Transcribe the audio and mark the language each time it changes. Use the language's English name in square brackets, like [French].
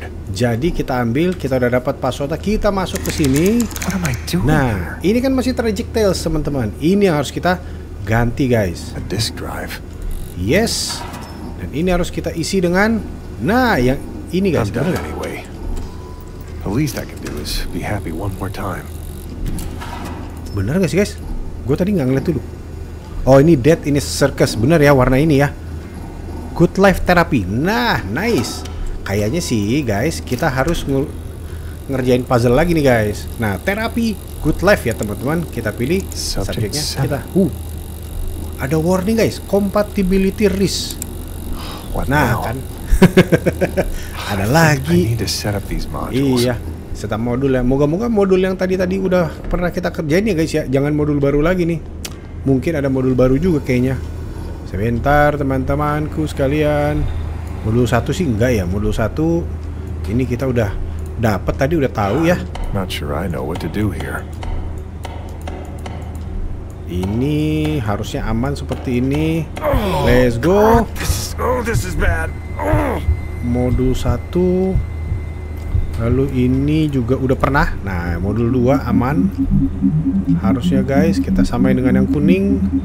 [Indonesian] Jadi kita ambil, kita udah dapat passwordnya, kita masuk ke sini. Nah ini kan masih Tragic Tales teman-teman, ini yang harus kita ganti guys. [English] A disk drive. [Indonesian] Yes, dan ini harus kita isi dengan, nah yang ini guys. [English] I'm done anyway. The least I can do is be happy one more time. [Indonesian] Bener nggak sih guys? Gue tadi nggak ngeliat dulu. Oh ini dead, ini circus, bener ya warna ini ya. Good Life Therapy. Nah nice. Kayaknya sih guys, kita harus ngerjain puzzle lagi nih guys. Nah terapi Good Life ya teman-teman. Kita pilih subjeknya kita. Ada warning guys, compatibility risk. [English] What nah now? Kan, [Indonesian] ada lagi. [English] I need to set up these modules. [Indonesian] Iya, set up modul ya. Moga-moga modul yang tadi-tadi udah pernah kita kerjain ya guys ya. Jangan modul baru lagi nih. Mungkin ada modul baru juga kayaknya. Sebentar teman-temanku sekalian. Modul 1 sih enggak ya. Modul 1 ini kita udah dapat tadi, udah tahu ya. [English] I'm not sure I know what to do here. [Indonesian] Ini harusnya aman seperti ini. [English] Let's go. This is bad. [Indonesian] Modul 1. Lalu ini juga udah pernah. Nah, modul 2 aman. Harusnya guys, kita samain dengan yang kuning.